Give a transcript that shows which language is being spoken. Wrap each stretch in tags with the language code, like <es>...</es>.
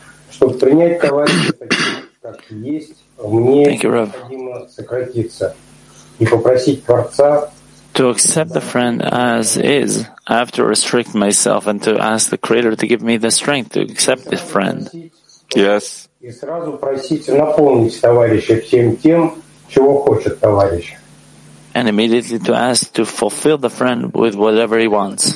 <ru>чтобы принять товарища как есть, мне необходимо сократиться и попросить Творца.</ru> <en>To accept the friend as is, I have to restrict myself and to ask the Creator to give me the strength to accept this friend. Yes.</en> <ru>И сразу просить наполнить товарища всем тем, чего хочет товарищ.</ru> <en>And immediately to ask to fulfill the friend with whatever he wants.</en>